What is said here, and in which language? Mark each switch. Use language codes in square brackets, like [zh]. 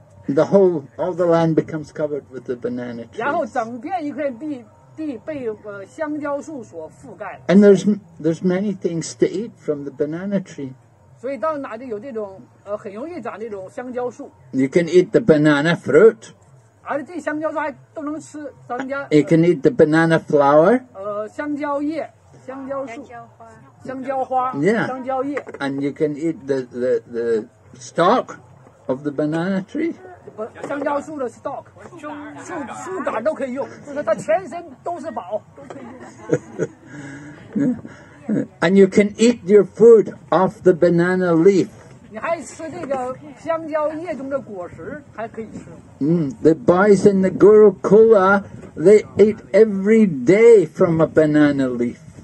[en] The whole, all the land becomes covered with the banana trees. [zh] 然后整片一块地被香蕉树所覆盖。 [en] And there's many things to eat from the banana tree. [zh] 所以到哪里有这种很容易长这种香蕉树。 [en] You can eat the banana fruit. [zh] 而这香蕉树还都能吃，咱们家。 [en] You can eat the banana flower. [zh] 香蕉叶、香蕉树、香蕉花、香蕉叶。 [en] And you can eat the stalk of the banana tree. [zh] 香蕉树的 stalk 树杆都可以用，就是它全身都是宝。 [en] And you can eat your food off the banana leaf. [zh] 你还吃这个香蕉叶中的果实，还可以吃。 [en] The boys in the Gurukula they eat every day from a banana leaf.